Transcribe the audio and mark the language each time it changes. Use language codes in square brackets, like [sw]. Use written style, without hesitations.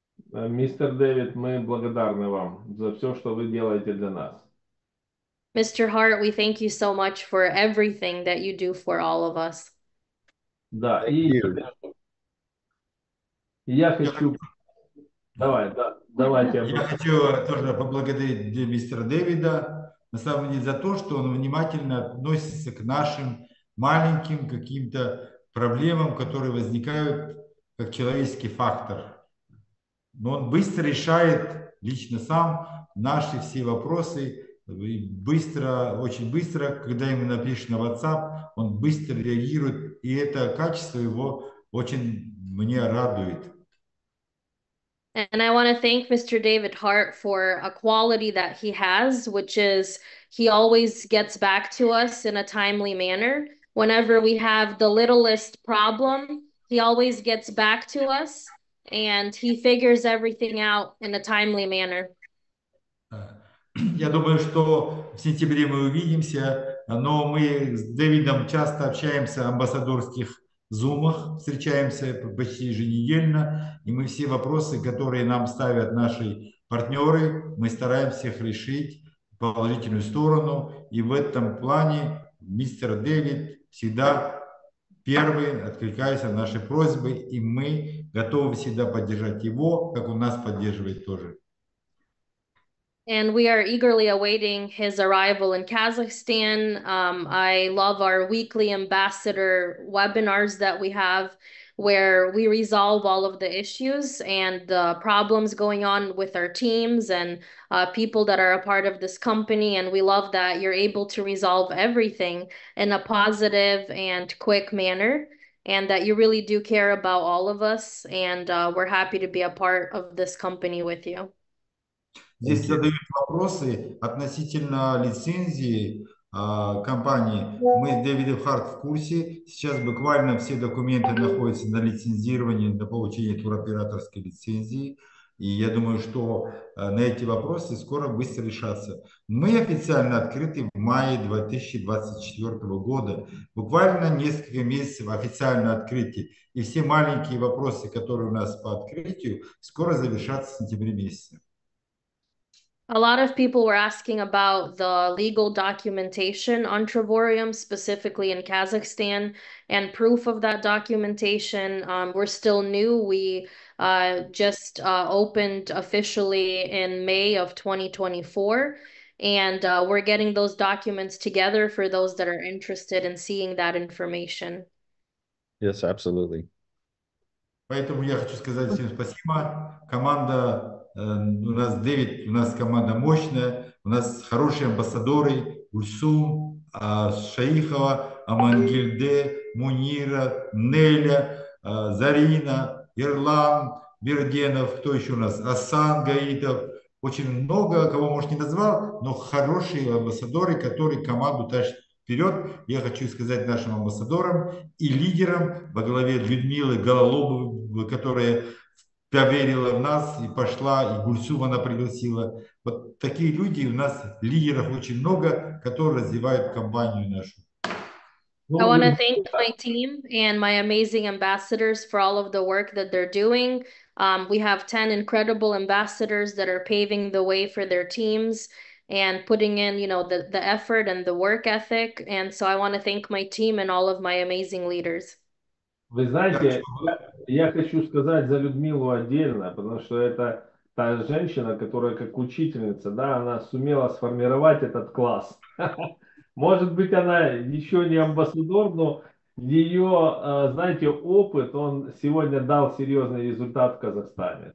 [ru] Мистер Дэвид, мы благодарны вам за все, что вы делаете для нас. [en] Mr. Hart, we thank you so much for everything that you do for all of us. [ru] Да, и я хочу... Я хочу тоже поблагодарить мистера Дэвида, на самом деле, за то, что он внимательно относится к нашим маленьким каким-то проблемам, которые возникают как человеческий фактор. Но он быстро решает лично сам наши все вопросы, быстро, очень быстро, когда ему напишешь на WhatsApp, он быстро реагирует, и это качество его очень мне радует. [en] And I want to thank Mr. David Hart for a quality that he has, which is he always gets back to us in a timely manner. Whenever we have the littlest problem, he always gets back to us, and he figures everything out in a timely manner. [ru] Я думаю, что в сентябре мы увидимся, но мы с Дэвидом часто общаемся в амбассадорских зумах, встречаемся почти еженедельно, и мы все вопросы, которые нам ставят наши партнеры, мы стараемся их решить в положительную сторону, и в этом плане мистер Дэвид всегда первый откликается на наши просьбы, и мы готовы всегда поддержать его, как он нас поддерживает тоже. [en] And we are eagerly awaiting his arrival in Kazakhstan. I love our weekly ambassador webinars that we have where we resolve all of the issues and the problems going on with our teams and people that are a part of this company. And we love that you're able to resolve everything in a positive and quick manner and that you really do care about all of us. And we're happy to be a part of this company with you. [ru] Здесь задают вопросы относительно лицензии компании. Мы с Дэвидом Харт в курсе. Сейчас буквально все документы находятся на лицензировании, на получение туроператорской лицензии. И я думаю, что на эти вопросы скоро быстро решатся. Мы официально открыты в мае 2024 года. Буквально несколько месяцев официально открыты. И все маленькие вопросы, которые у нас по открытию, скоро завершатся в сентябре месяце. [en] A lot of people were asking about the legal documentation on Trevorium, specifically in Kazakhstan, and proof of that documentation. We're still new. We just opened officially in May of 2024, and we're getting those documents together for those that are interested in seeing that information. Yes, absolutely. [ru] Поэтому я хочу сказать всем спасибо. Команда у нас Дэвид, у нас команда мощная, у нас хорошие амбассадоры Ульсум, Шаихова, Амангильде, Мунира, Неля, Зарина, Ирлан, Берденов, кто еще у нас? Асан Гаитов. Очень много, кого может не назвал, но хорошие амбассадоры, которые команду тащат вперед. Я хочу сказать нашим амбассадорам и лидерам во главе Людмилы Гололобовой, которая поверила в нас и пошла, и Гульсум она пригласила. Вот такие люди, у нас лидеров очень много, которые развивают компанию нашу. [en] I want to thank my team and my amazing ambassadors for all of the work that they're doing. We have 10 incredible ambassadors that are paving the way for their teams and putting in, you know, the effort and the work ethic. And so I want to thank my team and all of my amazing leaders. [ru] Вы знаете, я хочу сказать за Людмилу отдельно, потому что это та женщина, которая как учительница, да, она сумела сформировать этот класс. Может быть, она еще не амбассадор, но ее, знаете, опыт, он сегодня дал серьезный результат в Казахстане.